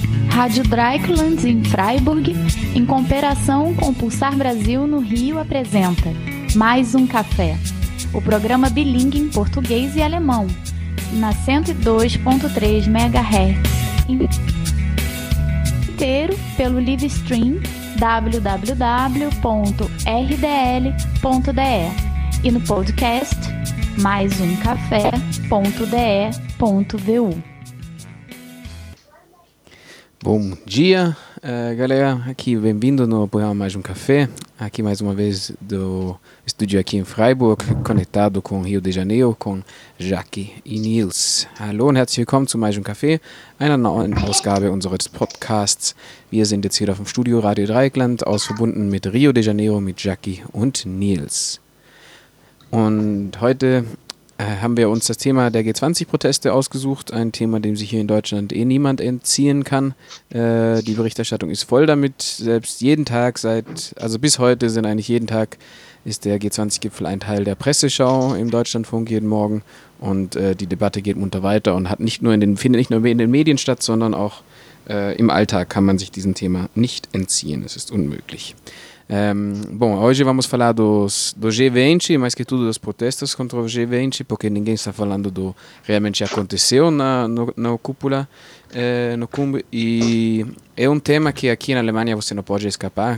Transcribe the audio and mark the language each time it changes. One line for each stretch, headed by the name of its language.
Portuguese: Rádio Dreieckland em Freiburg, em cooperação com o Pulsar Brasil no Rio, apresenta Mais um Café, o programa bilíngue em português e alemão, na 102.3 MHz, inteiro pelo live stream www.rdl.de e no podcast maisumcafé.de.vu. Bom dia, galera, aqui bem-vindo no programa Mais um Café, aqui mais uma vez do estúdio aqui em Freiburg, conectado com Rio de Janeiro, com Jacque e Nils.
German: Hallo und herzlich willkommen zu Mais um Café, einer neuen Ausgabe unseres Podcasts. Wir sind jetzt hier auf dem Studio Radio Dreieckland, aus verbunden mit Rio de Janeiro, mit Jacque und Nils. Und heute haben wir uns das Thema der G20-Proteste ausgesucht, ein Thema, dem sich hier in Deutschland eh niemand entziehen kann. Die Berichterstattung ist voll damit, selbst jeden Tag ist der G20-Gipfel ein Teil der Presseschau im Deutschlandfunk jeden Morgen und die Debatte geht munter weiter und findet nicht nur in den Medien statt, sondern auch im Alltag kann man sich diesem Thema nicht entziehen, es ist unmöglich.
Portuguese: Hoje vamos falar do G20, mais que tudo das protestas contra o G20, porque ninguém está falando do realmente aconteceu na cúpula, no cumbe, e é um tema que aqui na Alemanha você não pode escapar.